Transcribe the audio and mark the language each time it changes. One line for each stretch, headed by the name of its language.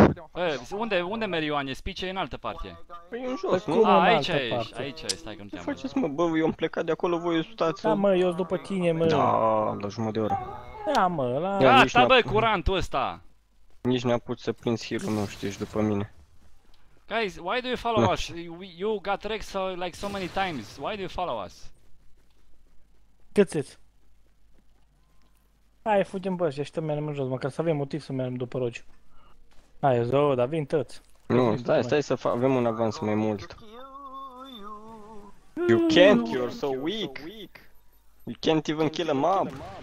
Romanian: Bă, unde meri Ioane? Spice e în altă parte. Păi în jos, nu? A, aici ești, aici ești, stai că nu te-am. Ce faceți, mă? Bă, eu am plecat de acolo, voi stați. Da, mă, eu-s după tine, mă. Da, la jumătate de oră. Da, mă, la... Gata, bă, curantul ăsta! Nici ne-a putut să prins heal-ul meu, știi, după mine.
English: Guys, why do you follow us? You got wrecked so, like, so many times. Why do you follow us?
Romanian: Câți-ți? Hai, fugim bă, ăștia și tot mergem în jos, măcar să avem motiv să mergem după rogi. Hai, zău, dar vin tăți. Nu, stai să avem un avans mai mult.
English: You can't, you're so weak. You can't even kill a mob.